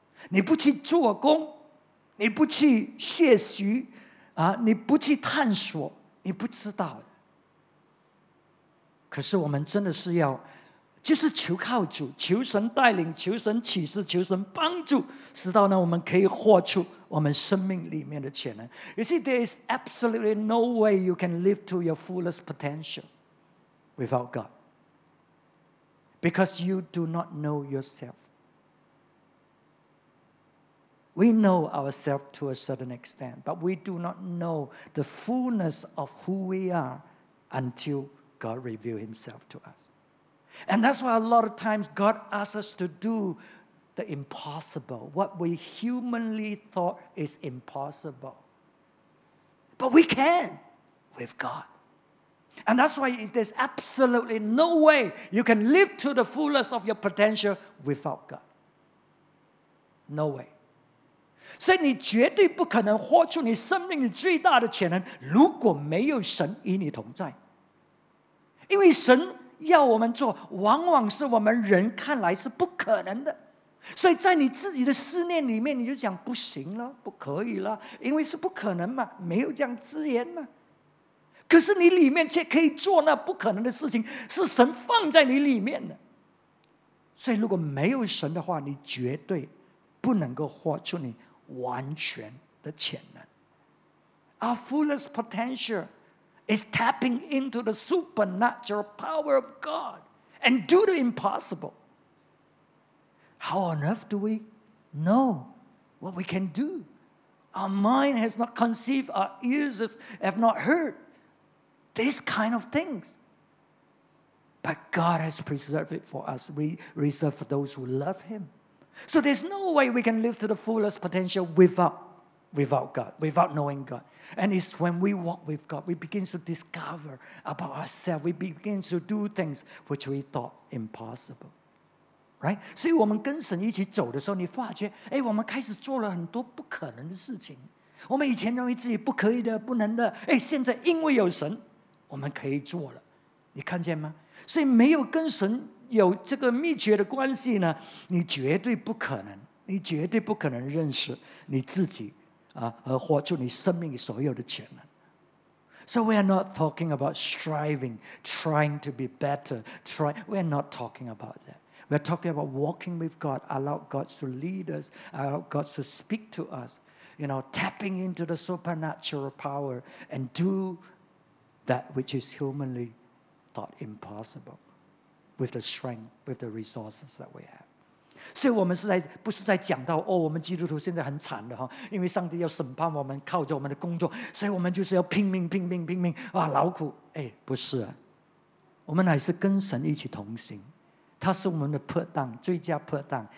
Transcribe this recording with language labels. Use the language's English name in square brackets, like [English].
[Chinese] 你不去做工，你不去学习啊，你不去探索，你不知道的。可是我们真的是要，就是求靠主，求神带领，求神启示，求神帮助，直到呢我们可以活出我们生命里面的潜能。 [English] You see, there is absolutely no way you can live to your fullest potential without God, because you do not know yourself. We know ourselves to a certain extent, but we do not know the fullness of who we are until God reveals himself to us. And that's why a lot of times God asks us to do the impossible, what we humanly thought is impossible. But we can with God. And that's why there's absolutely no way you can live to the fullest of your potential without God. No way. [Chinese] 所以你绝对不可能活出你生命里最大的潜能，如果没有神与你同在。因为神要我们做，往往是我们人看来是不可能的。所以在你自己的思念里面，你就讲不行了，不可以了，因为是不可能嘛，没有这样资源嘛。可是你里面却可以做那不可能的事情，是神放在你里面的。所以如果没有神的话，你绝对不能够活出你完全的潜能。 [English] Our fullest potential is tapping into the supernatural power of God and do the impossible. How on earth do we know what we can do? Our mind has not conceived, our ears have not heardThese kind of things. But God has preserved it for us, reserved for those who love Him. So there's no way we can live to the fullest potential without God, without knowing God. And it's when we walk with God, we begin to discover about ourselves. We begin to do things which we thought impossible. Right? [Chinese] 所以我们跟神一起走的时候，你发觉，哎，我们开始做了很多不可能的事情。我们以前认为自己不可以的，不能的，哎，现在因为有神，我们可以做了，你看见吗？所以没有跟神有这个密切的关系呢，你绝对不可能，你绝对不可能认识你自己啊，而活出你生命所有的潜能。 [English] So we are not talking about striving, trying to be better, We are not talking about that. We are talking about walking with God, allow God to lead us, allow God to speak to us, you know, tapping into the supernatural power and do. That which is humanly thought impossible with the strength, with the resources that we have. [Chinese] 所以我们是在不是在讲到哦，我们基督徒现在很惨的，因为上帝要审判我们，靠着我们的工作，所以我们就是要拼命拼命拼命啊，劳苦。哎，不是啊，我们乃是跟神一起同行，他是我们的拍档，最佳拍档。